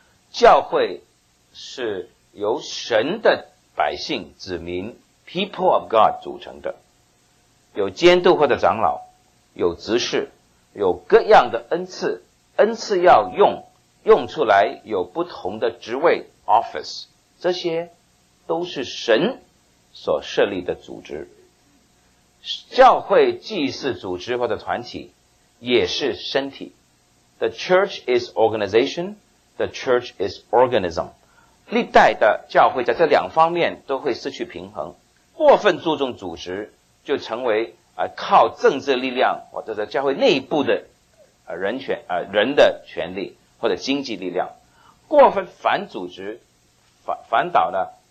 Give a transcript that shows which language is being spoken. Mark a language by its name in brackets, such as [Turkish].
[Chinese] 教会是由神的百姓子民 [English] people of God [Chinese] 组成的，有监督或者长老，有执事，有各样的恩赐，恩赐要用，用出来有不同的职位 office， 这些都是神所设立的组织。教会既是组织或者团体，也是身体。 [English] The church is organization, the church is organism。 [Chinese] 历代的教会在这两方面都会失去平衡，过分注重组织，就成为靠政治力量或者在教会内部的人的权利或者经济力量；过分反组织，反倒呢？